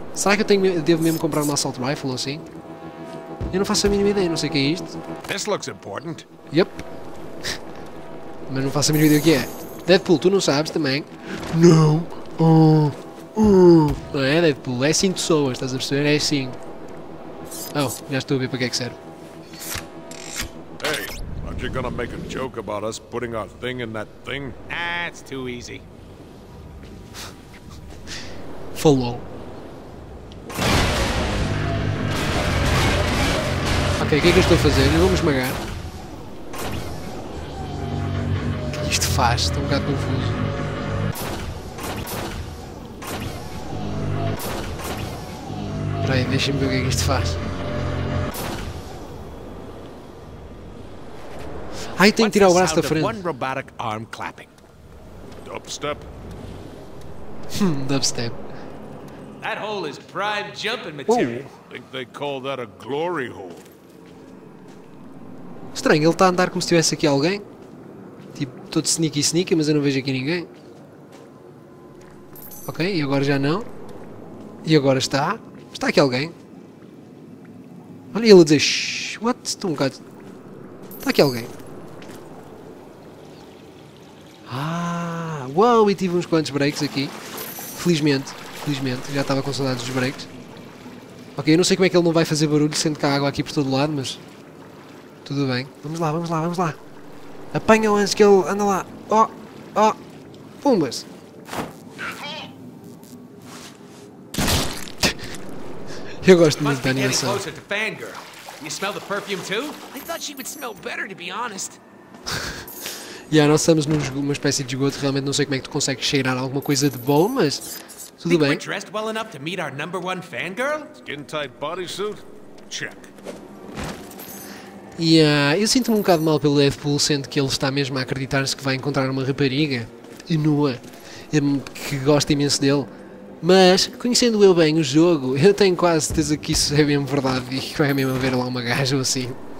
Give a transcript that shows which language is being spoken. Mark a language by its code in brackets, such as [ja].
[pt] Será que eu devo mesmo comprar uma assault rifle ou assim? Eu não faço a mínima ideia, não sei o que é isto. [en] This looks important. Yep. [pt] Mas não faço a mínima ideia o que é. Deadpool, tu não sabes também. Não. Não é, Deadpool? É 5 pessoas, estás a perceber? É 5. Oh, já estou a ver para que é que serve. [en] Hey, aren't you gonna make a joke about us putting our thing in that thing? Ah, it's too easy. [pt] Falou. Ok, o que é que eu estou a fazer? Eu vou-me esmagar. Isto faz, estou um bocado confuso. Espera aí, deixa-me ver o que é que isto faz. Ai, tem que tirar o braço da frente. [en] Robotic arm clapping. Dubstep. Dubstep. That hole is prime jumping material. Think they call that a glory hole. [pt] Estranho, ele está a andar como se tivesse aqui alguém. Tipo, todo sneaky sneaky, mas eu não vejo aqui ninguém. Ok, e agora já não. E agora está. Está aqui alguém. Olha ele a dizer shh, what? Estou um bocado... Está aqui alguém. Ah, uau, e tive uns quantos breaks aqui. Felizmente, felizmente, já estava com saudades dos breaks. Ok, eu não sei como é que ele não vai fazer barulho, sendo que há água aqui por todo lado, mas... Tudo bem. Vamos lá, vamos lá, vamos lá. Apanha-o antes que ele... Anda lá. Oh, oh. Pumbas. Eu gosto muito da animação. [en] You smell the perfume too? I thought she would smell better, to be honest. [pt] Yeah, nós estamos numa espécie de esgoto. Realmente não sei como é que tu consegues cheirar alguma coisa de bom, mas tudo bem. [en] We're dressed well enough to meet our number one fan girl? Skin tight bodysuit? Check. [pt] Yeah, eu sinto-me um bocado mal pelo Deadpool, sendo que ele está mesmo a acreditar-se que vai encontrar uma rapariga e nua que gosta imenso dele. Mas, conhecendo eu bem o jogo, eu tenho quase certeza que isso é mesmo verdade e que vai mesmo haver lá uma gaja ou assim.